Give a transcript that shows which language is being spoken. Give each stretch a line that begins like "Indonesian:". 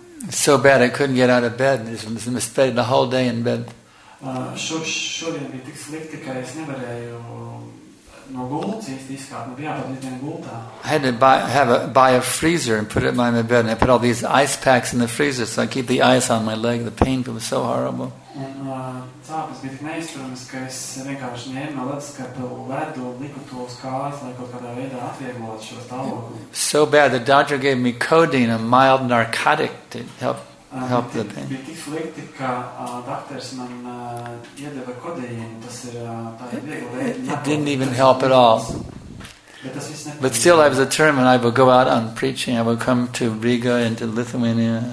English: So bad I couldn't get out of bed. I spent the whole day in bed.
Latvian: Šodien bija tik slikti, ka es nevarēju no gultas izkāpt, man bija jāpat vienu gultā.
English: I had to buy a freezer and put it by my bed, and I put all these ice packs in the freezer so I keep the ice on my leg. The pain was so horrible.
Latvian: Un sāpes bija tik neizturamas, ka es vienkārši ņēmu no ledskapu ledu un liku to uz kājas, lai kaut kādā veidā atvieglot šo stāvokli.
English: So bad, the doctor gave me codeine, a mild narcotic to help. Help the pain. It didn't even help at all. But still I was determined I will go out on preaching. I will come to Riga and to Lithuania.